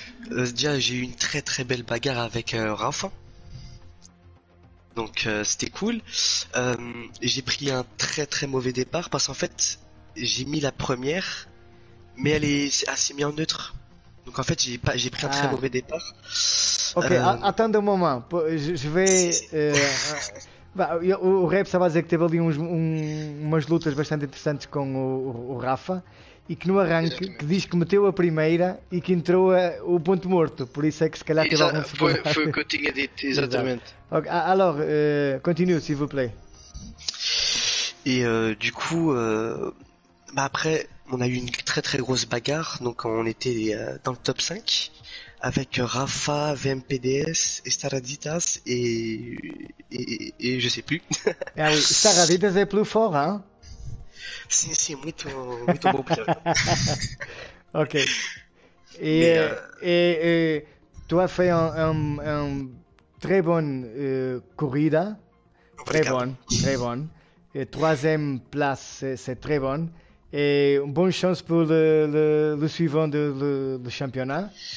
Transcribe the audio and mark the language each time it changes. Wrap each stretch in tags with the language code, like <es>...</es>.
<fr>Déjà, j'ai eu une très très belle bagarre avec Rafa. Donc c'était cool. J'ai pris un très très mauvais départ parce qu'en fait j'ai mis la première, mais elle s'est mise en neutre. Donc en fait j'ai pris un très mauvais départ. Ok, attends un moment. Je vais.</fr> <pt>Bah, o Reps estava a dizer que teve ali umas lutas bastante interessantes com o Rafa e que no arranque que diz que meteu a primeira e que entrou o ponto morto, por isso é que se calhar teve algum foi o que eu tinha dito, exatamente.</pt> <fr>Okay, alors, continue, s'il vous plaît. Et du coup, après, on a eu une très très grosse bagarre, donc on était dans le top 5. Avec Rafa, VMPDS, Staraditas et je sais plus. Staraditas est plus fort, hein?</fr> <pt>Si, si, muito, muito bom pilote. Ok.</pt> <fr>Tu as fait un très bonne corrida.</fr> <pt>Obrigado.</pt> <fr>Très bonne, très bonne. Troisième place, c'est très bonne. Et bonne chance pour le suivant de le championnat.</fr>